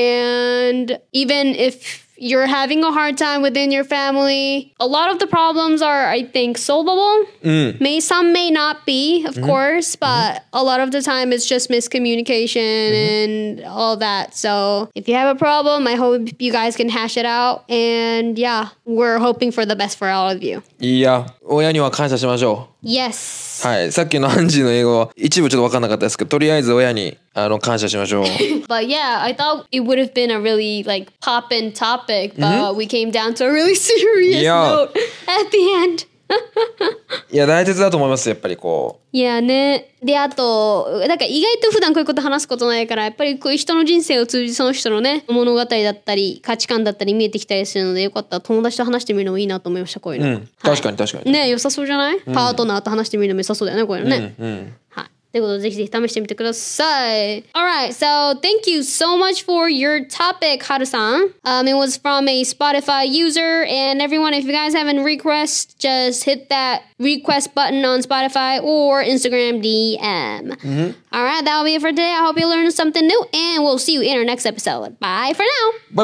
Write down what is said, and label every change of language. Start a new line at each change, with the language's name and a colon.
English: And even if you're having a hard time within your family, a lot of the problems are, I think, solvable. Mm. Some may not be, of mm. course, but mm. a lot of the time it's just miscommunication mm. and all that. So if you have a problem, I hope you guys can hash it out. And yeah, we're hoping for the best for all of you. Yeah,
Japanese: 親には感謝しましょう。
English: Yes.
Japanese: はい、さっきのアンジーの英語は一部ちょっと分かんなかったですけど、とりあえず親に感謝しましょう。
English: But yeah, I thought it would have been a really like poppin topic, but、mm-hmm. we came down to a really serious、yeah. note at the end.
Japanese: いや、大切だと思います、やっぱりこう。いやね。で、あと、なんか意外と普段こういうこと話すことないから、やっぱりこういう人の人生を通じその人のね、物語だったり、価値観だったり見えてきたりするので、よかったら友達と話してみるのもいいなと思いました、こういうの。うん、確かに確かに。はい、ね、良さそうじゃない、うん、パートナーと話してみるのも良さそうだよね、こういうのね。うんうん、はい。ということで、ぜひぜひ試してみてください。
English: Alright, so thank you so much for your topic, Haru-san. It was from a Spotify user, and everyone, if you guys have any requests, just hit that request button on Spotify or Instagram DM. Mm-hmm. Alright, that'll be it for today. I hope you learned something new, and we'll see you in our next episode. Bye for now!